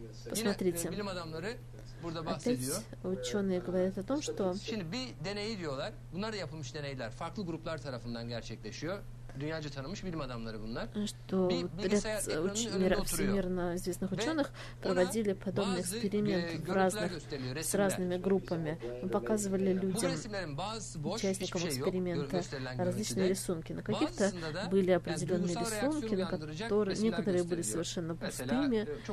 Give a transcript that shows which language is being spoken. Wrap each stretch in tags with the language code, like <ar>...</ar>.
<ru>Посмотрите. Опять ученые говорят о том, что...</ru> <tr>Şimdi bir deney diyorlar. Bunlar da yapılmış deneyler. Farklı gruplar tarafından gerçekleşiyor. Dünyaca tanınmış bilim adamları bunlar.</tr> <ru>Что ряд всемирно известных ученых проводили подобный эксперимент в разных, с разными группами. Мы показывали людям, участникам эксперимента, различные рисунки. На каких-то были определенные рисунки, на которых некоторые были совершенно пустыми.</ru>